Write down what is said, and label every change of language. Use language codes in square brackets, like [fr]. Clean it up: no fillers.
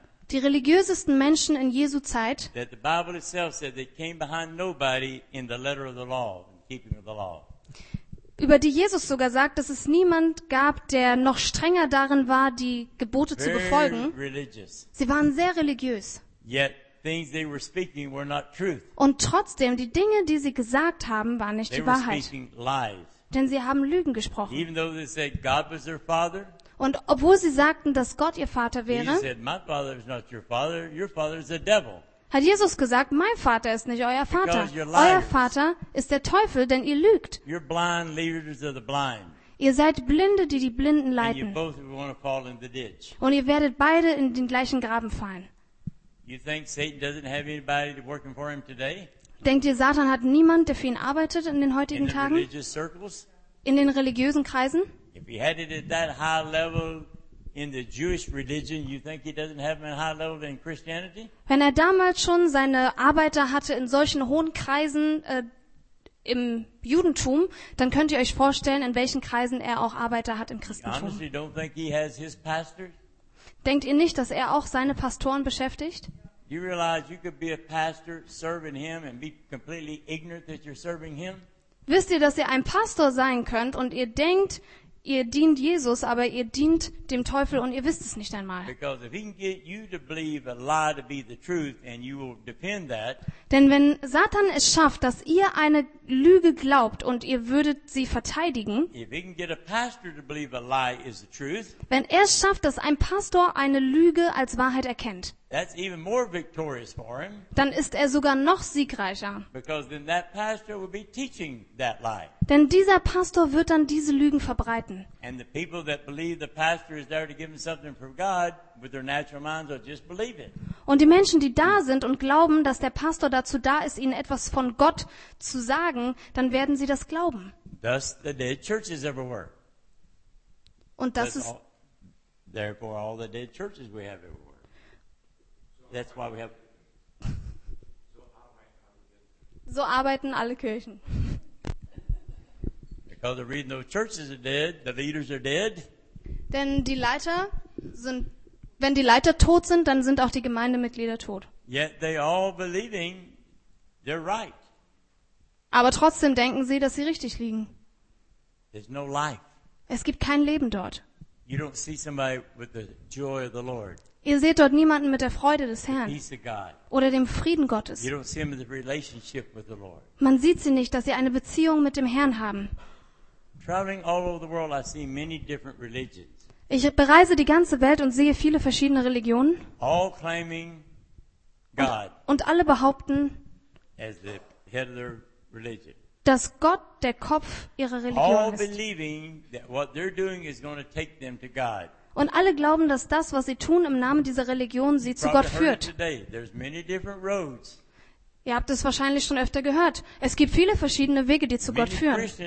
[de] Die religiösesten Menschen in Jesu Zeit, über die Jesus sogar sagt, dass es niemand gab, der noch strenger darin war, die Gebote zu befolgen. Sie waren sehr religiös. [en] Things they were speaking were not truth. [de] Und trotzdem, die Dinge, die sie gesagt haben, waren nicht [en] they [de] die Wahrheit. [en] Were speaking lies. [de] Denn sie haben Lügen gesprochen. [en] Even though they said God was their father, [de] und obwohl sie sagten, dass Gott ihr Vater wäre, [en] he said, my father is not your father. Your father is the devil. [de] Hat Jesus gesagt, mein Vater ist nicht euer Vater. [en] Because you're liars. [de] Euer Vater ist der Teufel, denn ihr lügt. [en] You're blind leaders of the blind. [de] Ihr seid Blinde, die die Blinden leiten. [en] And you both will want to fall in the ditch. [de] Und ihr werdet beide in den gleichen Graben fallen. [en] You think Satan doesn't have anybody working for him today? [de] Denkt ihr, Satan hat niemand, der für ihn arbeitet in den heutigen [en] in the [de] Tagen? [en] Religious circles? [de] In den religiösen Kreisen? [en] If he had it at that high level in the Jewish religion, you think he doesn't have him at high level in Christianity? [de] Wenn er damals schon seine Arbeiter hatte in solchen hohen Kreisen im Judentum, dann könnt ihr euch vorstellen, in welchen Kreisen er auch Arbeiter hat im Christentum. [en] You honestly don't think he has his pastors? [de] Denkt ihr nicht, dass er auch seine Pastoren beschäftigt? [en] You realize you could be a pastor serving him and be completely ignorant that you're serving him? [de] Wisst ihr, dass ihr ein Pastor sein könnt und ihr denkt, ihr dient Jesus, aber ihr dient dem Teufel und ihr wisst es nicht einmal? [en] Because if he can get you to believe a lie to be the truth and you will defend that. [de] Denn wenn Satan es schafft, dass ihr eine Lüge glaubt und ihr würdet sie verteidigen, wenn er es schafft, dass ein Pastor eine Lüge als Wahrheit erkennt, [en] that's even more victorious for him, [de] dann ist er sogar noch siegreicher. [en] Because then that pastor will be teaching that lie. [de] Denn dieser Pastor wird dann diese Lügen verbreiten. Und die Menschen, die glauben, dass der Pastor da ist, um ihnen etwas von Gott zu geben, [en] with their natural minds or just believe it. [de] Und die Menschen, die da sind und glauben, dass der Pastor dazu da ist, ihnen etwas von Gott zu sagen, dann werden sie das glauben. [en] Thus the dead churches everywhere. [de] Und das ist [en] therefore all the dead churches we have everywhere. That's why we have [de] so arbeiten alle Kirchen. [en] Because the reason those churches are dead, the leaders are dead. [de] Denn die Leiter sind. Wenn die Leiter tot sind, dann sind auch die Gemeindemitglieder tot. [en] Yet they all believing they're right. [de] Aber trotzdem denken sie, dass sie richtig liegen. [en] There's no life. [de] Es gibt kein Leben dort. [en] You don't see somebody with the joy of the Lord. [de] Ihr seht dort niemanden mit der Freude des Herrn oder dem Frieden Gottes. [en] You don't see them in the relationship with the Lord. [de] Man sieht sie nicht, dass sie eine Beziehung mit dem Herrn haben. [en] Traveling all over the world, I see many different religions. [de] Ich bereise die ganze Welt und sehe viele verschiedene Religionen. [en] All claiming God [de] und alle behaupten, [en] as the head of their religion, [de] dass Gott der Kopf ihrer Religion [en] all [de] ist. [en] Believing that what they're doing is going to take them to God. [de] Und alle glauben, dass das, was sie tun im Namen dieser Religion, sie [en] you [de] zu Gott führt. [en] Today, there's many different roads. [de] Ihr habt es wahrscheinlich schon öfter gehört. Es gibt viele verschiedene Wege, die zu Gott führen.